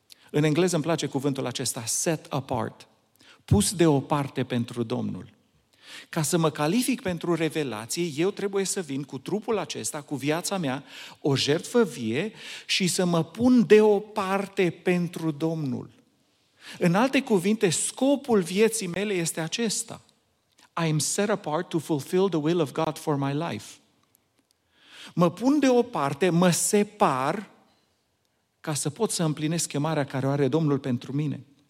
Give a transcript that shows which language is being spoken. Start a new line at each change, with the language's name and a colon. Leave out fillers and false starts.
Romanian: În engleză îmi place cuvântul acesta,
English: set apart,
Romanian: pus deoparte pentru Domnul. Ca să mă calific pentru revelație, eu trebuie să vin cu trupul acesta, cu viața mea, o jertfă vie și să mă pun deoparte pentru Domnul. În alte cuvinte, scopul vieții mele este acesta.
English: I am set apart to fulfill the will of God for my life.
Romanian: Mă pun deoparte, mă separ ca să pot să împlinesc chemarea care o are Domnul pentru mine.